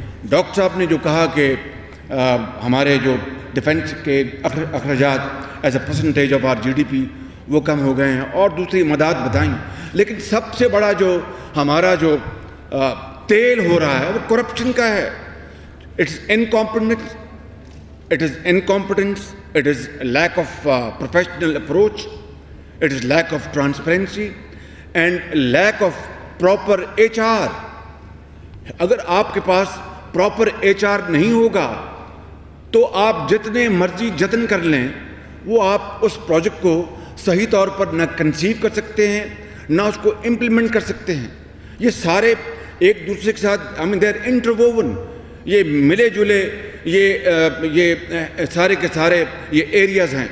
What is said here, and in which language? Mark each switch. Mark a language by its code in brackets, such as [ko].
[ur] Doctor صاحب نے جو کہا کہ ہمارے جو ڈیفینس کے اخراجات [en] as a percentage of our G D P [ur] وہ کم ہو گئے ہیں اور دوسری مدد بتائیں, لیکن سب سے بڑا جو ہمارا جو تیل ہو رہا ہے وہ کرپشن کا ہے. [en] It's incompetence, it is incompetence, it is lack of professional approach, it is lack of transparency and lack of proper H R. [ur] اگر آپ کے پاس پراپر ایچ آر نہیں ہوگا تو آپ جتنے مرضی جتن کر لیں وہ آپ اس پروجیکٹ کو صحیح طور پر نہ کنسیو کر سکتے ہیں نہ اس کو امپلیمنٹ کر سکتے ہیں. یہ سارے ایک دوسرے کے ساتھ [en] I mean they are interwoven, [ur] یہ ملے جلے یہ سارے کے سارے یہ ایریاز ہیں.